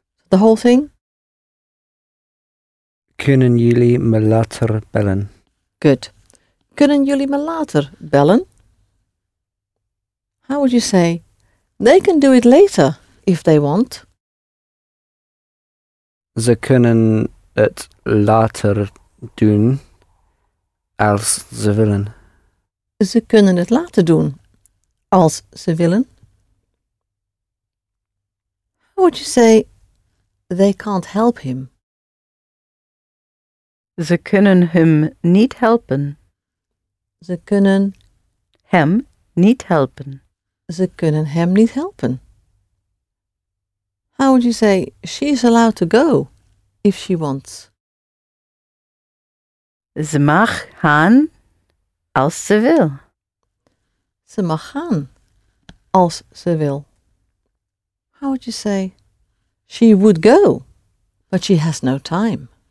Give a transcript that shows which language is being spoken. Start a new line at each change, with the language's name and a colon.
English: The whole thing?
Dutch: Kunnen jullie me later bellen?
English: Good.
Dutch: Kunnen jullie me later bellen?
English: How would you say? They can do it later, if they want.
Dutch: Ze kunnen het later doen, als ze willen. Ze kunnen het later doen, als ze willen.
English: How would you say, they can't help him?
Dutch: Ze kunnen hem niet helpen. Ze kunnen hem niet helpen. Ze kunnen hem niet helpen.
English: How would you say, she is allowed to go, if she wants?
Dutch: Ze mag gaan, als ze wil. Ze mag gaan, als ze wil.
English: How would you say, she would go, but she has no time?